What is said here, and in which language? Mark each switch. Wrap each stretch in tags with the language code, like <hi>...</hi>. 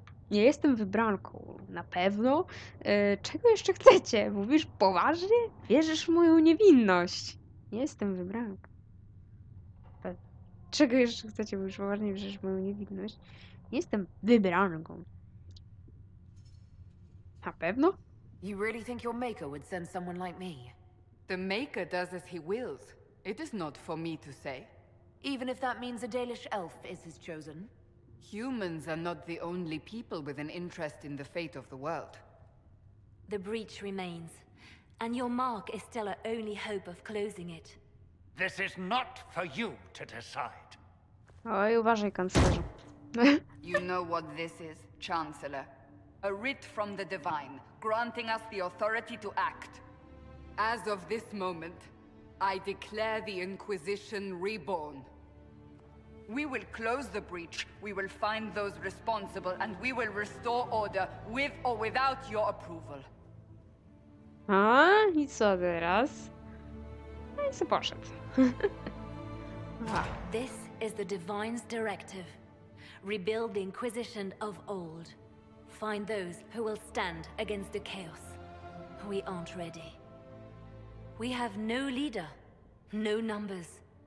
<pl>Nie jestem wybranką, na pewno. Czego jeszcze chcecie? Mówisz poważnie? Wierzysz w moją niewinność? Nie jestem wybranką. Czego jeszcze chcecie, bo już poważnie wierzysz moją niewinność? Nie jestem wybranką. Na pewno?</pl> <en>You really think your maker would send someone like me? The maker does as he wills. It is not for me to say. Even if that means a Dalish elf is his chosen. Humans are not the only people with an interest in the fate of the world. The breach remains. And your mark is still our only hope of closing it. This is not for you to decide.</en> <pl>Oj, uważaj, kanclerzu.</pl> <en>You know what this is, Chancellor. A writ from the divine, granting us the authority to act. As of this moment, I declare the Inquisition reborn. We will close the breach, we will find those responsible, and we will restore order with or without your approval.</en> <pl>A, i co teraz? No i co poszedł.</pl> <en>This is the Divine's directive. Rebuild the Inquisition of old. Find those who will stand against the chaos. We aren't ready. We have no leader, no numbers.</en>